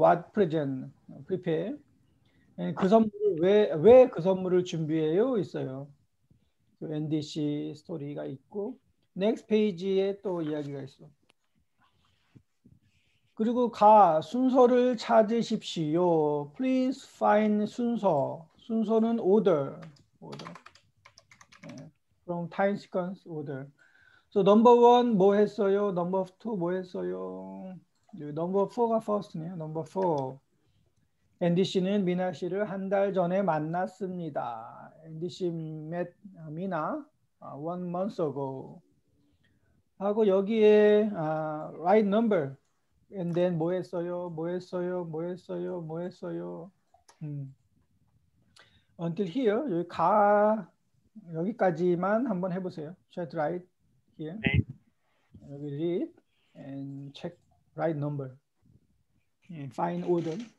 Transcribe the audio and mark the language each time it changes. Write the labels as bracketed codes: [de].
[en] What present? Prepare. [ko] 그 선물을 왜 그 선물을 준비해요? 있어요. 그 앤디 씨 스토리가 있고 넥스트 페이지에 또 이야기가 있어. 그리고 가 순서를 찾으십시오. [en] Please find 순서. [ko] 순서는 [en] order. Order. [ko] 네. [en] From time sequence order. So number one [ko] 뭐 했어요? [en] Number two [ko] 뭐 했어요? [en] Number four가 first네요. Number four. [ko] 앤디 씨는 미나 씨를 한 달 전에 만났습니다. [en] 앤디 씨 met 미나 one month ago. [ko] 하고 여기에 [en] right number. And then [ko] 뭐 했어요? 뭐 했어요? 뭐 했어요? 뭐 했어요? [en] until here [ko] 여기 가 여기까지만 한번 해보세요. [en] Check right. Here, we read and check right number and find order.